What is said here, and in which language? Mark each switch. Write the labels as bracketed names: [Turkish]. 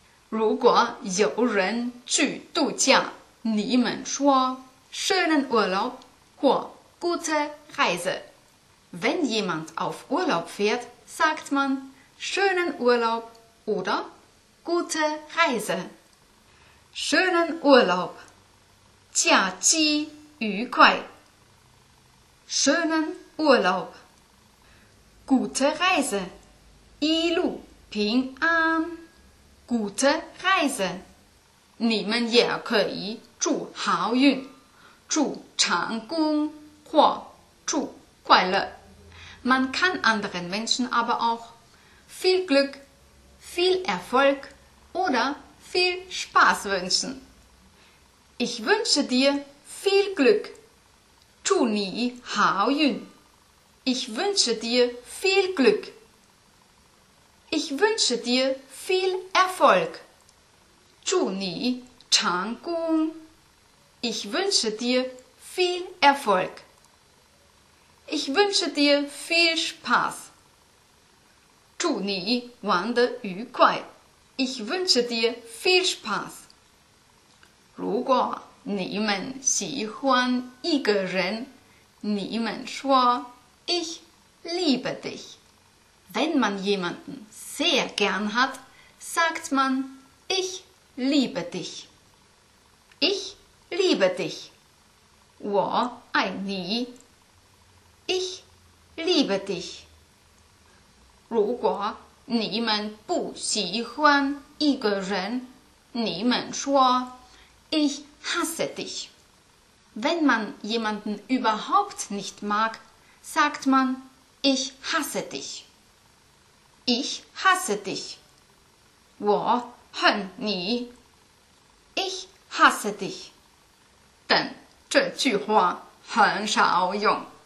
[Chinese] 如果有人去度假，你们说 [German] schönen Urlaub [Chinese] 或 [German] gute Reise. Wenn jemand auf Urlaub fährt, sagt man schönen Urlaub oder gute Reise. Schönen Urlaub. [Chinese] 假期愉快. [German] Schönen Urlaub. Gute Reise. [Chinese] 一路平安. [German] Gute Reise. [Chinese] 你们也可以祝好运，祝成功或祝快乐. [German] Man kann anderen Menschen aber auch viel Glück, viel Erfolg oderviel Spaß wünschen. Ich wünsche dir viel Glück. [Chinese] 祝你好运。 [German] Ich wünsche dir viel Glück. Ich wünsche dir viel Erfolg. [Chinese] 祝你成功。 [German] Ich wünsche dir viel Erfolg. Ich wünsche dir viel Spaß. [Chinese] 祝你玩得愉快。 [German] Ich wünsche dir viel Spaß. [Chinese] 如果你们喜欢一个人，你们说 [German] Ich liebe dich. Wenn man jemanden sehr gern hat, sagt man Ich liebe dich. Ich liebe dich. [Chinese] 我爱你。 [German] Ich liebe dich. [Chinese] 如果你们不喜欢一个人，你们说 [German] Ich hasse dich. Wenn man jemanden überhaupt nicht mag, sagt man Ich hasse dich. Ich hasse dich. [Chinese] 我恨你。 [German] Ich hasse dich. [Chinese] 但这句话很少用。